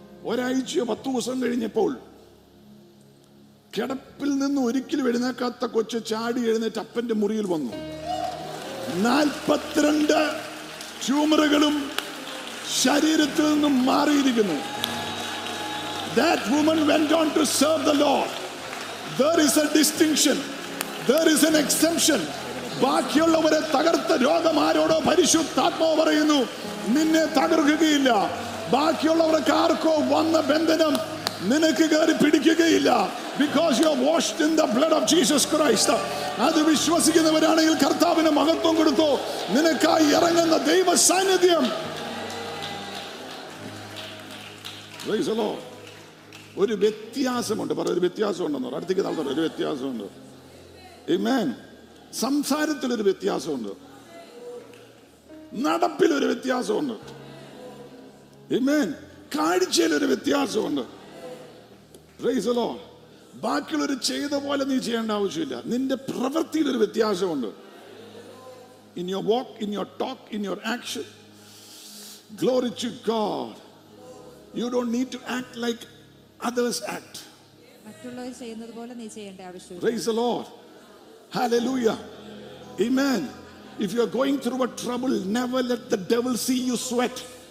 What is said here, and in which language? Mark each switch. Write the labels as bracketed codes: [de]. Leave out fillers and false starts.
[ml] ഒരാഴ്ചയോ 10 ദിവസം കഴിഞ്ഞപ്പോൾ കിടപ്പിൽ നിന്ന് ഒരിക്കലും എഴുന്നേക്കാത്ത കൊച്ച് ചാടി എഴുന്നേറ്റ് അപ്പന്റെ മുറിയിൽ വന്നു. 42 ട്യൂമറുകളും ശരീരത്തിൽ നിന്നും മാറിയിരിക്കുന്നു. [en] That woman went on to serve the Lord. There is a distinction. There is an exemption. [ml] ബാക്കിയുള്ളവരെ തകർത്ത രോഗം ആരോടോ പരിശുദ്ധാത്മാവ് പറയുന്നു, നിന്നെ തകർക്കുകയില്ല. ബാക്കിയുള്ളവർക്ക് ആർക്കോ വന്ന ബന്ധനം നിനക്ക് കയറി പിടിക്കുകയില്ല. [en] Because you are washed in the blood of Jesus Christ. [ml] അത് വിശ്വസിക്കുന്നവരാണെങ്കിൽ കർത്താവിന് മഹത്വം കൊടുത്തു, നിനക്കായി ഇറങ്ങുന്ന ദൈവ സാന്നിധ്യം. [en] Praise the Lord. [ml] ഒരു വ്യത്യാസമുണ്ട്. പറ, ഒരു വ്യത്യാസമുണ്ടെന്നോ? അടുത്തേക്ക് തള്ളത്തോ. ഒരു വ്യത്യാസമുണ്ട്. ആമേൻ. സംസാരത്തിൽ ഒരു വ്യത്യാസമുണ്ട്. നടപ്പിൽ ഒരു വ്യത്യാസമുണ്ട്. ആമേൻ. കാഴ്ചയിൽ ഒരു വ്യത്യാസമുണ്ട്. [en] Praise the Lord. [ml] ബാക്കിയുള്ളവർ ചെയ്ത പോലെ നീ ചെയ്യേണ്ട ആവശ്യമില്ല. നിന്റെ പ്രവൃത്തിയിൽ ഒരു വ്യത്യാസമുണ്ട്. [en] In your walk, in your talk, in your action. Glory to God. You don't need to act like others act. [ml] മറ്റുള്ളവർ ചെയ്യുന്നത് പോലെ നീ ചെയ്യേണ്ട ആവശ്യമില്ല. [en] Praise the Lord. Hallelujah. Amen. If you are going through a trouble, never let the devil see you sweat.